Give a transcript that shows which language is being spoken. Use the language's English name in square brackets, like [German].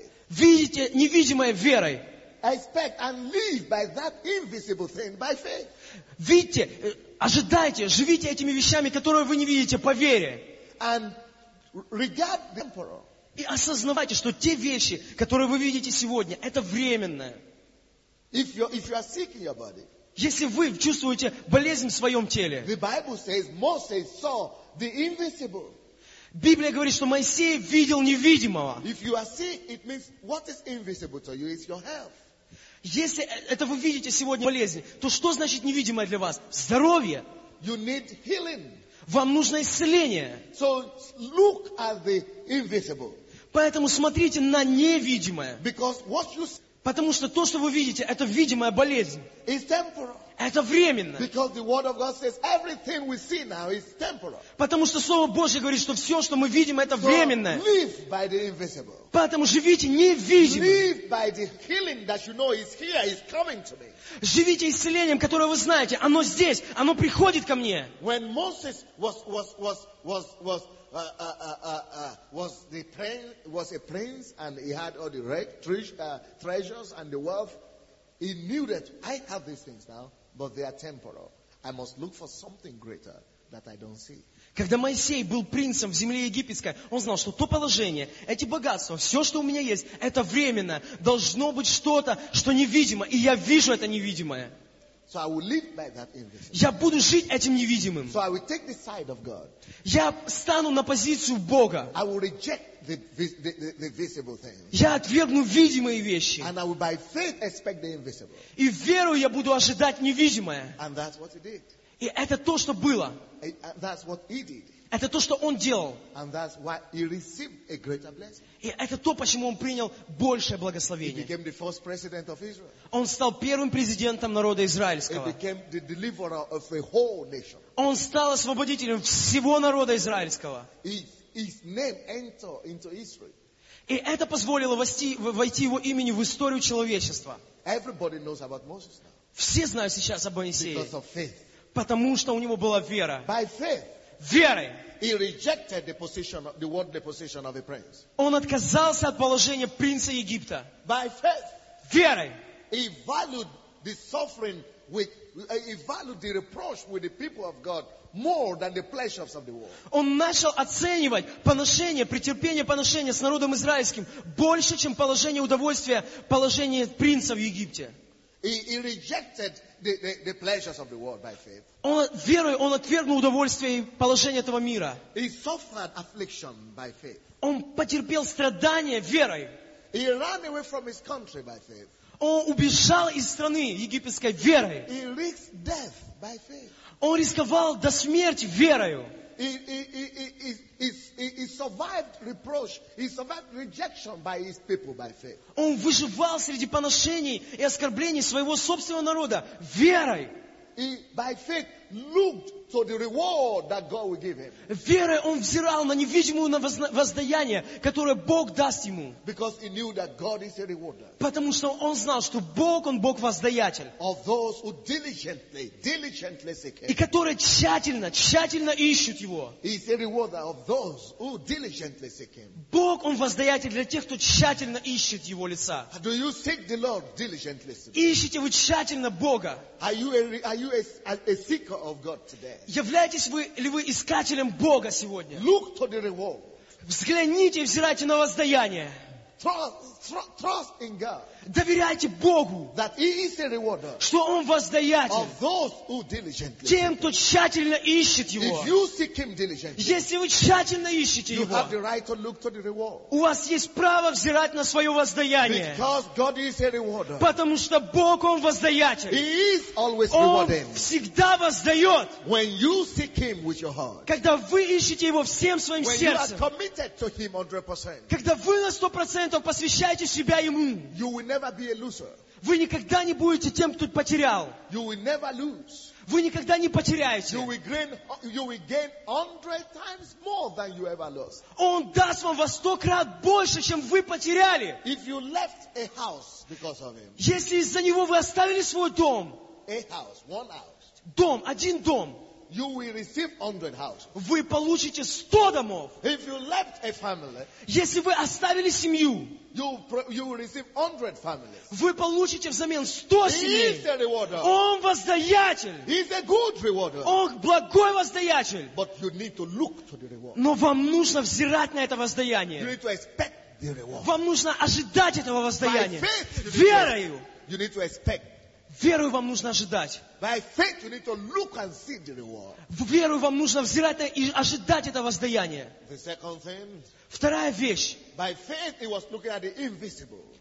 [Russian] Видите невидимое верой. [English] Expect and live by that invisible thing by faith. [Russian] Видите, ожидайте, живите этими вещами, которые вы не видите, по вере. [English] And regard temporal. [Russian] И осознавайте, что те вещи, которые вы видите сегодня, это временное. [English] If you are sick in your body. [Russian] Если вы чувствуете болезнь в своем теле. [English] The Bible says Moses saw the invisible. [Russian] Библия говорит, что Моисей видел невидимого. [English] If you are sick, it means what is invisible to you is your health. [Russian] Если это вы видите сегодня болезнь, то что значит невидимое для вас? Здоровье. [English] You need healing. [Russian] Вам нужно исцеление. [English] So look at the invisible. [Russian] Поэтому смотрите на невидимое. [English] Because what you see, [Russian] потому что то, что вы видите, это видимая болезнь. [English] It's temporal. [Russian] Это временно. [English] Because the word of God says everything we see now is temporal. [Russian] Потому что Слово Божье говорит, что все, что мы видим, это временное. [English] So live by the invisible. [Russian] Поэтому живите невидимым. [English] Live by the healing that you know is here, is coming to me. [Russian] Живите исцелением, которое вы знаете, оно здесь, оно приходит ко мне. [English] When Moses was a prince and he had all the treasures and the wealth, he knew that I have these things now, but they are temporal. I must look for something greater that I don't see. [Russian] Когда Моисей был принцем в земле египетской, он знал, что то положение, эти богатства, все, что у меня есть, это временно. Должно быть что-то, что невидимо, и я вижу это невидимое. [English] So I will live by that invisible. [Russian] Я буду жить этим невидимым. [English] So I will take the side of God. [Russian] Я стану на позицию Бога. [English] I will reject the visible things. [Russian] Я отвергну видимые вещи. [English] And I will by faith expect the invisible. [Russian] И верою я буду ожидать невидимое. [English] And that's what he did. [Russian] И это то, что было. [English] That's what he did. [Russian] Это то, что он делал. [English] And that's why he received a greater blessing. [Russian] И это то, почему он принял большее благословение. [English] He became the first president of Israel. [Russian] Он стал первым президентом народа израильского. [English] He became the deliverer of a whole nation. [Russian] Он стал освободителем всего народа израильского. [English] His name entered into history. [Russian] И это позволило войти его имени в историю человечества. [English] Everybody knows about Moses now. [Russian] Все знают сейчас об Моисее. [English] Because of faith. [Russian] Потому что у него была вера. [English] By faith. [Russian] Верой. [English] He rejected the position, the worldly position of a prince. [Russian] Он отказался от положения принца Египта. [English] By faith. [Russian] Верой. [English] He valued the suffering with, he valued the reproach with the people of God more than the pleasures of the world. [Russian] Он начал оценивать поношение, претерпение поношения с народом израильским больше, чем положение удовольствия, положение принца в Египте. [English] He rejected the pleasures of the world by faith. [Russian] Он верой он отвергнул удовольствие и положение этого мира. [English] He suffered affliction by faith. [Russian] Он потерпел страдания верой. [English] He ran away from his country by faith. [Russian] Он убежал из страны египетской верой. [English] He risked death by faith. [Russian] Он рисковал до смерти верою. [English] He survived reproach. He survived rejection by his people by faith. [Russian] Он выживал среди поношений и оскорблений своего собственного народа верой. [English] He by faith looked to the reward that God will give him. [Russian] Верой он взирал на невидимое воздаяние, которое Бог даст ему. [English] Because he knew that God is a rewarder. [Russian] Потому что он знал, что Бог, он Бог воздаятель. [English] Of those who diligently seek him. [Russian] И которые тщательно ищут его. [English] He is a rewarder of those who diligently seek him. [Russian] Бог он воздаятель для тех, кто тщательно ищет его лица. [English] Do you seek the Lord diligently? [Russian] Ищете вы тщательно Бога? [English] Are you a seeker of God today? [Russian] Являетесь вы ли вы искателем Бога сегодня? [English] Look to the reward. [Russian] Взгляните и взирайте на воздаяние. [English] Trust in God. [Russian] Доверяйте Богу. [English] That he is a rewarder. [Russian] Что он воздаятель. [English] Of those who diligently. [Russian] Тем, кто тщательно ищет его. [English] If you seek him diligently. [Russian] Если вы тщательно ищете [English] you [Russian] его. [English] You have the right to look to the reward. [Russian] У вас есть право взирать на свое воздаяние. [English] Because God is a rewarder. [Russian] Потому что Бог он воздаятель. [English] He is always rewarding. [Russian] Он всегда воздает. [English] When you seek him with your heart. [Russian] Когда вы ищете его всем своим [English] when [Russian] сердцем. [English] When you are committed to him 100%. [Russian] Когда вы на 100% посвящаете себя ему. [English] You will never be a loser. [Russian] Вы никогда не будете тем, кто потерял. [English] You will never lose. [Russian] Вы никогда не потеряете. [English] You will gain 100 times more than you ever lost. [Russian] Он даст вам во 100 крат больше, чем вы потеряли. [English] If you left a house because of him. [Russian] Если из-за него вы оставили свой дом. [English] A house, one house. [Russian] Дом, один дом. [English] You will receive 100 houses. [Russian] Вы получите 100 домов. [English] If you left a family, [Russian] если вы оставили семью, [English] you will receive 100 families. [Russian] Вы получите взамен 100 семей. [English] He is a rewarder. [Russian] Он воздаятель. [English] He is a good rewarder. [Russian] Он благой воздаятель. [English] But you need to look to the reward. [Russian] Но вам нужно взирать на это воздаяние. [English] You need to expect the reward. [Russian] Вам нужно ожидать этого воздаяния. [English] By faith, [Russian] верою. [English] You need to expect. [Russian] Верою вам нужно ожидать. [English] By faith you need to look and see the reward. [Russian] Верою вам нужно взирать и ожидать это воздаяние. [English] The second thing. [Russian] Вторая вещь. [English] By faith he was looking at the invisible.